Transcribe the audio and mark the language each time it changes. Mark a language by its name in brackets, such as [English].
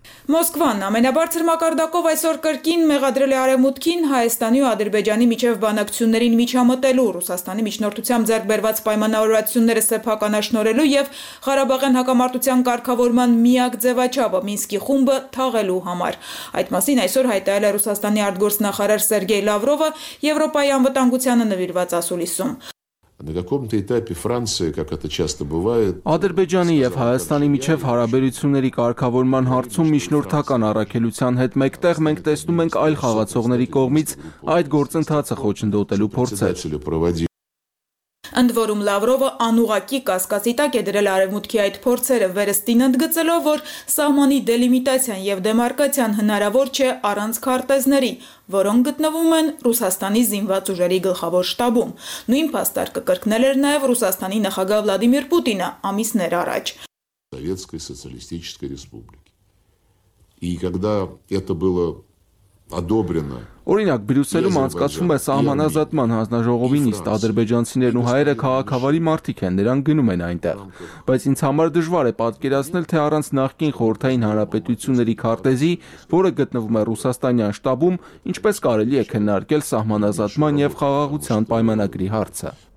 [Armenian] Մոսկվան ամենաբարձր մակարդակով այսօր կրկին մեղադրել է արևմուտքին Հայաստանի ու Ադրբեջանի միջև բանակցություններին միջամտելու, Ռուսաստանի միջնորդությամբ ձեռք բերված պայմանավորվածությունները սեփականաշնորելու և Ղարաբաղյան հակամարտության կարգավորման միակ ձևաչափը Մինսկի խումբը թաղելու համար։ Այդ մասին այսօր հայտարարել է Ռուսաստանի արտգործնախարար Սերգեյ Լավրովը Եվրոպայի անվտանգությանը նվիրված ասուլիսում։ [Russian] На каком-то этапе Франция, как это часто бывает, [Armenian] Ադրբեջանի եւ Հայաստանի միջև հարաբերությունների կարգավորման հարցում միջնորդական առաքելության հետ մեկտեղ մենք տեսնում ենք այլ խաղացողների կողմից այդ գործընթացը խոչընդոտելու փորձեր։ Ընդ որում Լավրովը անուղակի կասկածի տակ է դրել արևմուտքի այդ փորձերը, վերստին ընդգծելով, որ սահմանի դելիմիտացիան եւ դեմարկացիան հնարավոր չէ առանց քարտեզների, որոնք գտնվում են Ռուսաստանի զինված ուժերի գլխավոր շտաբում։ Նույն փաստարկը կրկնել էր նաև Ռուսաստանի նախագահ Վլադիմիր Պուտինը ամիսներ առաջ։ Սովետական սոցիալիստական ռեսպուբլիկա։ [Russian] И когда это было одобрено, [Armenian] օրինակ Բրյուսելում անցկացվում է սահմանազատման հանձնաժողովի նիստ, ադրբեջանցիներն ու հայերը քաղաքավարի մարդիկ են, նրանք գնում են այնտեղ, բայց ինձ համար դժվար է պատկերացնել, թե առանց նախկին խորհրդային հանրապետությունների քարտեզի, որը գտնվում է ռուսաստանյան շտաբում, ինչպես կարելի է քննարկել սահմանազատման եւ խաղաղության պայմանագրի հարցը։